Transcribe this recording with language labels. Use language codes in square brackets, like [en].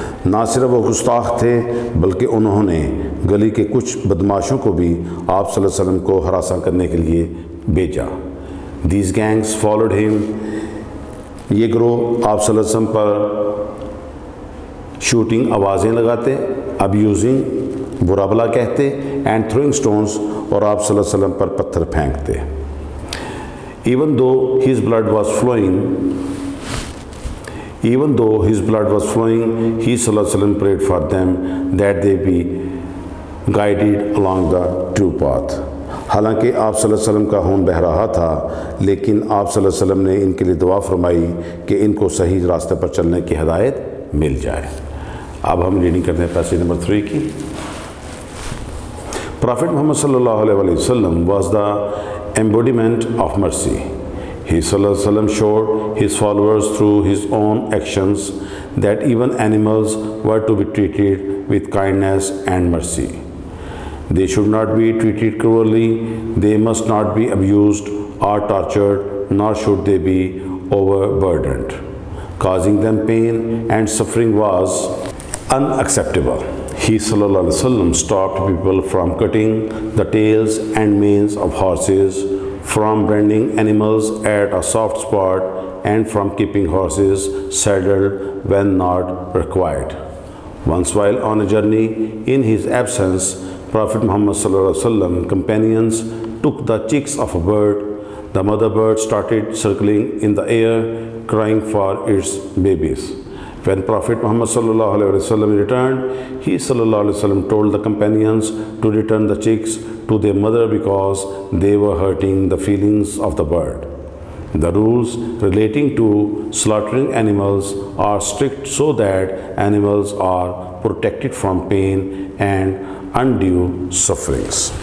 [ur] نہ صرف وہ گستاخ تھے بلکہ انہوں نے گلی کے کچھ بدماشوں کو بھی آپ صلی اللہ علیہ وسلم کو ہراساں کرنے کے لیے بھیجا. [en] these gangs followed him, [ur] یہ گروہ آپ صلی اللہ علیہ وسلم پر شوٹنگ آوازیں لگاتے, ابیوزنگ برا بلا کہتے, [en] and throwing stones, [ur] اور آپ صلی اللہ علیہ وسلم پر پتھر پھینکتے. [en] Even though his blood was flowing, he صلی اللہ علیہ وسلم prayed for them that they be guided along the true path. [ur] حالانکہ آپ صلی اللہ علیہ وسلم کا خون بہ رہا تھا لیکن آپ صلی اللہ علیہ وسلم نے ان کے لیے دعا فرمائی کہ ان کو صحیح راستے پر چلنے کی ہدایت مل جائے. اب ہم ریڈنگ کرتے ہیں پیسج نمبر 3 کی. [en] Prophet Muhammad صلی اللہ علیہ وآلہ وسلم was the embodiment of mercy. He صلی اللہ علیہ وسلم showed his followers through his own actions that even animals were to be treated with kindness and mercy. They should not be treated cruelly, they must not be abused or tortured, not should they be overburdened. Causing them pain and suffering was unacceptable. He صلی اللہ علیہ وسلم stopped people from cutting the tails and manes of horses, from branding animals at a soft spot, and from keeping horses saddled when not required. Once while on a journey in his absence, Prophet Muhammad صلی اللہ علیہ وسلم companions took the chicks of a bird. The mother bird started circling in the air crying for its babies. When Prophet Muhammad sallallahu alaihi wasallam returned, he sallallahu alaihi wasallam told the companions to return the chicks to their mother because they were hurting the feelings of the bird. The rules relating to slaughtering animals are strict so that animals are protected from pain and undue sufferings.